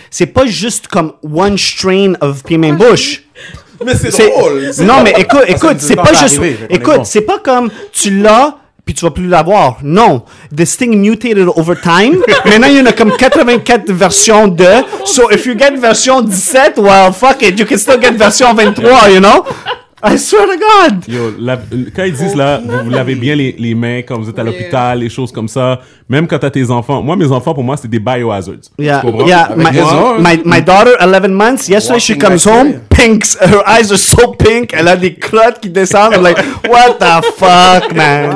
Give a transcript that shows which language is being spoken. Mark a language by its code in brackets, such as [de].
[fr] C'est pas juste comme [en] one strain of [fr] pied-main-bouche. Mais c'est drôle. Non, mais écoute, c'est pas juste... Écoute, c'est pas comme tu l'as... puis tu vas plus l'avoir. Non. [en] This thing mutated over time. [fr] Maintenant, il y en a comme 84 versions de. [en] So, if you get version 17, well, fuck it. You can still get version 23, you know? I swear to God. [fr] Yo, quand ils disent là, vous lavez bien les mains quand vous êtes à l'hôpital, les choses comme ça. Même quand t'as tes enfants. Moi, mes enfants, pour moi, c'est des biohazards. [en] Yeah. Yeah. My daughter, 11 months, yesterday she comes home, pinks. Her eyes are so pink. [fr] Elle a des crottes qui descendent. [en] I'm like, what the fuck, man?